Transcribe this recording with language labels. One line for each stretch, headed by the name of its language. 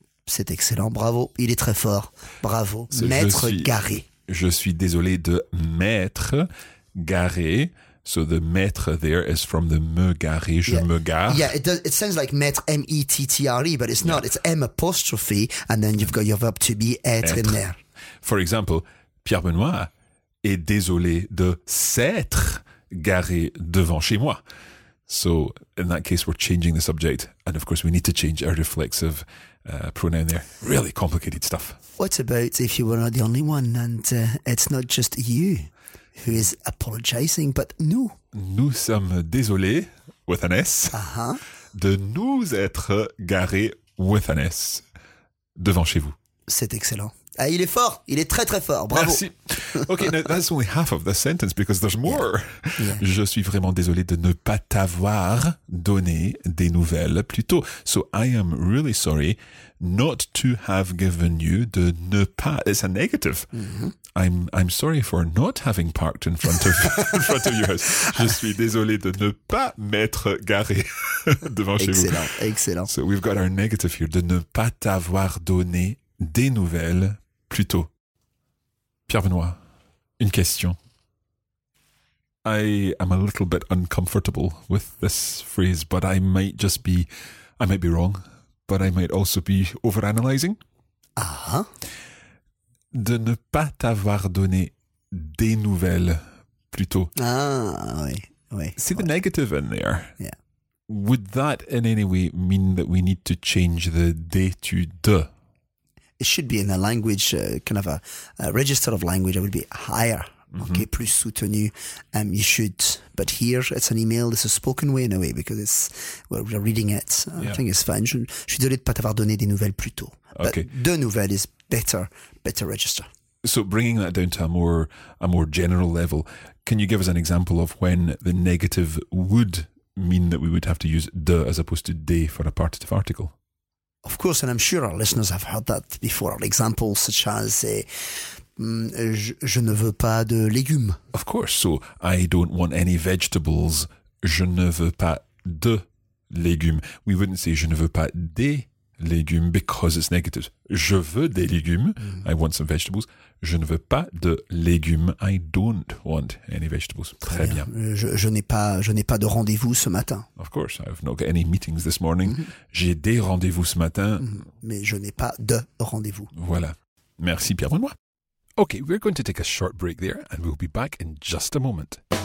French: C'est excellent. Bravo. Il est très fort. Bravo. M'être garé. Je suis désolé de m'être garé.
English: So the mettre there is from the me garer,
French: je me gare.
English: Yeah, it does. It sounds like mettre, M-E-T-T-R-E, but it's not. It's M apostrophe, and then you've got your verb to be, être in there.
French: For example, Pierre-Benoît est désolé de s'être garée devant chez moi.
English: So in that case, we're changing the subject. And of course, we need to change our reflexive pronoun there. Really complicated stuff. What about if you were not the only one and it's not just you who is apologizing, but nous?
French: Nous sommes désolés,
English: with an S, uh-huh.
French: de nous être garés,
English: with an S,
French: devant chez vous. C'est excellent. Ah, il est fort. Il est très, très fort. Bravo. Merci.
English: Okay, now that's only half of the sentence because there's more. Yeah. Yeah.
French: Je suis vraiment désolé de ne pas t'avoir donné des nouvelles plus tôt.
English: So I am really sorry not to have given you
French: de ne pas.
English: It's a negative. Mm-hmm. I'm sorry for not having parked in front of in front of your house.
French: Je suis désolé de ne pas m'être garé devant chez vous.
English: Excellent, excellent. So we've got our negative here.
French: De ne pas t'avoir donné des nouvelles plus tôt. Pierre Benoît, une question.
English: I am a little bit uncomfortable with this phrase, but I might be wrong, but I might also be overanalyzing. Ah. Uh-huh.
French: De ne pas t'avoir donné des nouvelles plus tôt. Ah, oui, oui.
English: See the negative in there. Yeah. Would that in any way mean that we need to change the de to de? It should be in a language, kind of a register of language. It would be higher, mm-hmm. okay,
French: plus soutenu.
English: You should, but here it's an email. It's a spoken way in a way because it's we're reading it. Yeah. I think it's fine.
French: Je suis désolé de pas t'avoir donné des nouvelles plus tôt.
English: Okay. But de nouvelles is better register. So bringing that down to a more general level, can you give us an example of when the negative would mean that we would have to use de as opposed to des for a partitive article? Of course, and I'm sure our listeners have heard that before. An example such as,
French: je ne veux pas de légumes.
English: Of course, so I don't want any vegetables.
French: Je ne veux pas de légumes.
English: We wouldn't say
French: je ne veux pas des légumes
English: because it's negative.
French: Je veux des légumes. Mm.
English: I want some vegetables.
French: Je ne veux pas de légumes.
English: I don't want any vegetables.
French: Très bien. Je n'ai pas de rendez-vous ce matin.
English: Of course, I have not got any meetings this morning.
French: Mm-hmm. J'ai des rendez-vous ce matin. Mm-hmm. Mais je n'ai pas de rendez-vous. Voilà. Merci Pierre Benoît.
English: Okay, we're going to take a short break there and we'll be back in just a moment.